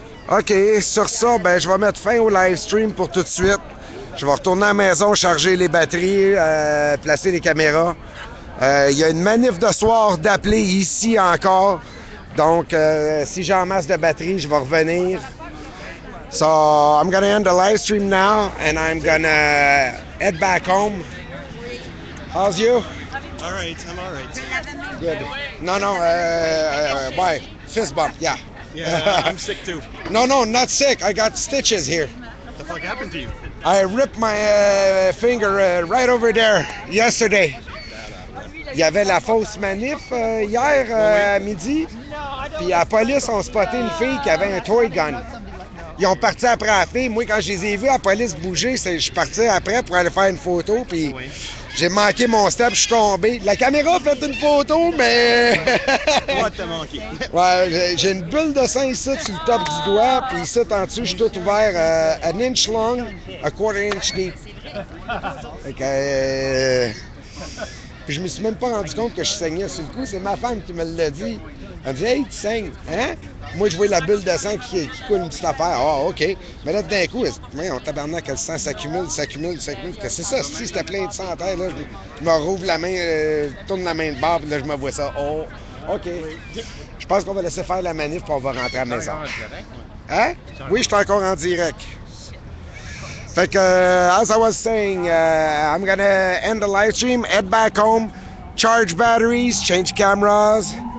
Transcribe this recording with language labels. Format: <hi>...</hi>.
<fr>OK, sur ça, ben je vais mettre fin au live stream pour tout de suite. Je vais retourner à la maison, charger les batteries, placer les caméras. Il y a une manif de soir d'appeler ici encore. Donc, si j'ai en masse de batterie, je vais revenir.</fr> <en>So, I'm gonna end the live stream now, and I'm gonna head back home. How's you? All right, I'm all right. Good. No, no, bye. Fist bump, yeah. Yeah, I'm sick too. No, no, not sick. I got stitches here. The fuck happened to you? I ripped my finger right over there yesterday.</en> <fr>Il y avait la fausse manif hier à midi. Puis la police ont spoté une fille qui avait un toy gun. Ils ont parti après la fille. Moi, quand je les ai vus, la police bouger, je suis parti après pour aller faire une photo. Puis j'ai manqué mon step, je suis tombé. La caméra a fait une photo, mais... Moi, t'as manqué. Ouais, j'ai une bulle de sang ici sur le top du doigt. Puis ici, en dessous, je suis tout ouvert.</fr> <en>An inch long, a quarter inch deep.</en> <fr>Fait que... Puis je me suis même pas rendu compte que je saignais sur le coup. C'est ma femme qui me l'a dit. Elle me dit « Hey, tu saignes, hein? » Moi, je vois la bulle de sang qui coule une petite affaire. Ah, oh, OK. Mais là, d'un coup, on tabarnak, le sang s'accumule. Que c'est ça, si c'était plein de sang en terre, là, je me rouvre la main, tourne la main de bord, puis là, je me vois ça. Oh, OK. Je pense qu'on va laisser faire la manif, puis on va rentrer à la maison. Hein? Oui, je suis encore en direct. Fait que,</fr> <en>as I was saying, I'm gonna end the live stream, head back home, charge batteries, change cameras.</en>